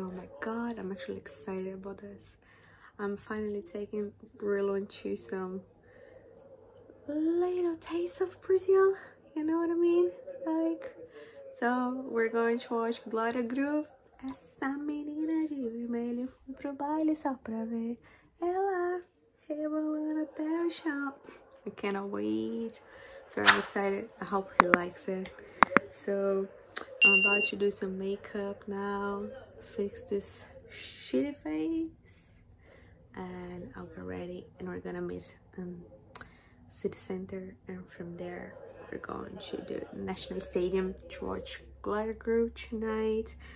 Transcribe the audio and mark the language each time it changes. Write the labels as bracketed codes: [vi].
[en] Oh my god, I'm actually excited about this. I'm finally taking Brilon to some little taste of Brazil. You know what I mean? Like, so we're going to watch Gloria Groove. [pt] Essa menina de vermelho foi pro baile só pra ver ela rebolando até o chão. [en] I cannot wait. So I'm excited. I hope he likes it. So I'm about to do some makeup now. Fix this shitty face. And I'll get ready. And we're gonna meet City Center. And from there, we're going to the National Stadium to watch Gloria Groove tonight.